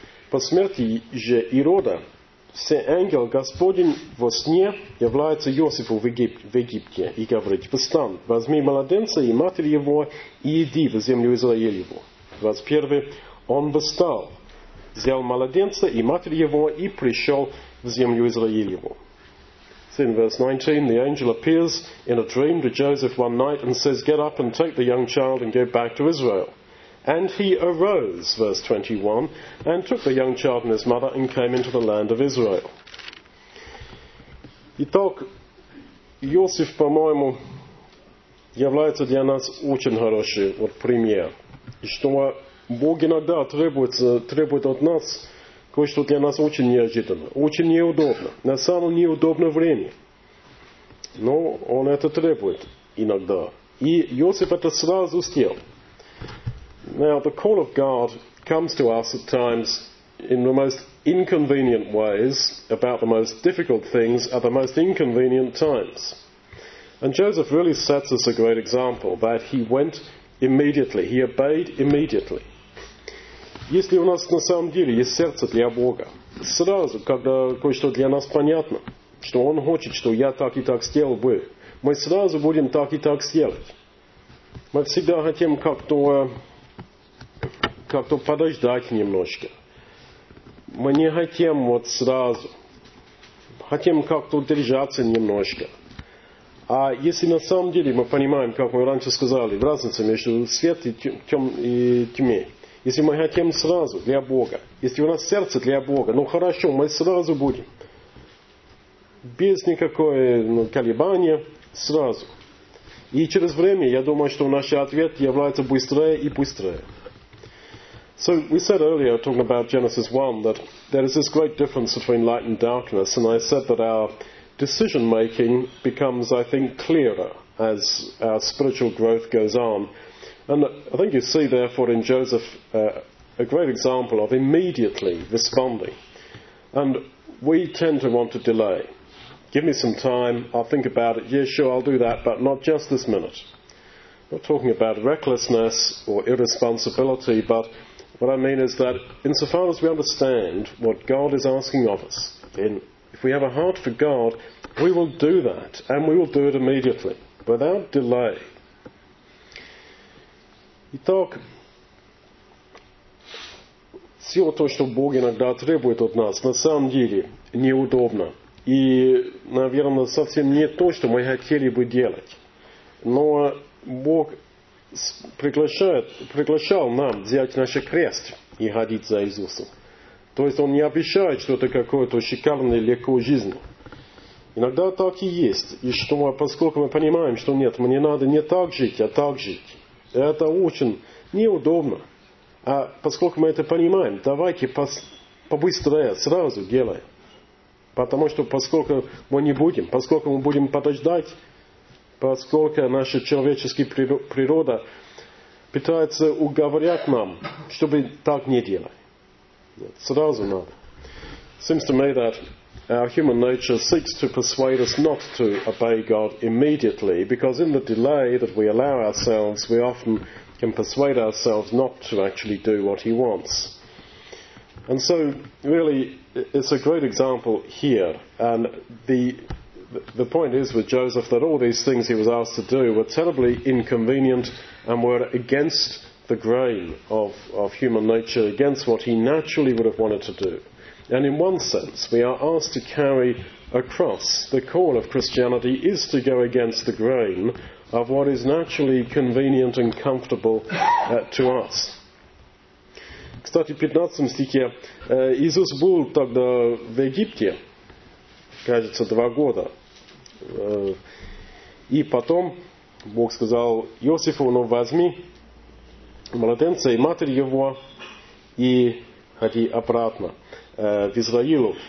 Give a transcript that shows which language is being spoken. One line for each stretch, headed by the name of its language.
Russian: По смерти же Ирода, все ангел Господень во сне является Иосифу в Египте и говорит, «Встань, возьми младенца и матерь его, и иди в землю Израилеву». 21. Он встал, взял младенца и матерь его и пришел в землю Израилеву.
English: In verse 19, the angel appears in a dream to Joseph one night and says, get up and take the young child and go back to Israel. And he arose, verse 21, and took the young child and his mother and came into the land of Israel.
Russian: Итак, Иосиф, по-моему, является для нас очень хороший вот пример. И что Бог иногда требует от нас кое-что для нас очень неожиданно, очень неудобно, на самом неудобном времени. Но он это требует иногда. И Иосиф это сразу сделал. Now, the call of God comes to us at times in the most inconvenient ways, about the most difficult things at the most inconvenient times. And Joseph really sets us a great example that he went immediately, he obeyed immediately. Если у нас на самом деле есть сердце для Бога, сразу, когда кое-что для нас понятно, что Он хочет, что я так и так сделал бы, мы сразу будем так и так сделать. Мы всегда хотим как-то подождать немножко. Мы не хотим вот сразу. Хотим как-то держаться немножко. А если на самом деле мы понимаем, как мы раньше сказали, разница между светом и тьмой. Если мы хотим сразу для Бога. Если у нас сердце для Бога, ну хорошо, мы сразу будем. Без никакого колебания, сразу. И через время, я думаю, что наш ответ является быстрее и быстрее.
English: So we said earlier, talking about Genesis 1, that there is this great difference between light and darkness, and I said that our decision-making becomes, I think, clearer as our spiritual growth goes on. And I think you see, therefore, in Joseph a great example of immediately responding. And we tend to want to delay. Give me some time, I'll think about it. Yeah, sure, I'll do that, but not just this minute. Not talking about recklessness or irresponsibility, but what I mean is that insofar as we understand what God is asking of us, if we have a heart for God, we will do that, and we will do it immediately, without delay.
Russian: Итак, все то, что Бог иногда требует от нас, на самом деле неудобно. И, наверное, совсем не то, что мы хотели бы делать. Но Бог приглашал нам взять наш крест и ходить за Иисусом. То есть Он не обещает, что это какое-то шикарное, легкое жизнь. Иногда так и есть. И что, поскольку мы понимаем, что нет, мне надо не так жить, а так жить. Это очень неудобно. А поскольку мы это понимаем, давайте побыстрее, сразу делаем. Потому что поскольку мы не будем, поскольку мы будем подождать, поскольку наша человеческая природа пытается уговорять нам, чтобы так не делать. Сразу надо.
English: Seems to me that our human nature seeks to persuade us not to obey God immediately, because in the delay that we allow ourselves, we often can persuade ourselves not to actually do what he wants. And so, really, it's a great example here. And the point is with Joseph that all these things he was asked to do were terribly inconvenient and were against the grain of human nature, against what he naturally would have wanted to do. And in one sense, we are asked to carry a cross. The call of Christianity is to go against the grain of what is naturally convenient and comfortable to us.
Russian: Кстати, в 15 стихе Иисус был тогда в Египте, кажется, 2 года. И потом Бог сказал Иосифу, ну возьми младенца и матерь его и ходи обратно в Израилу.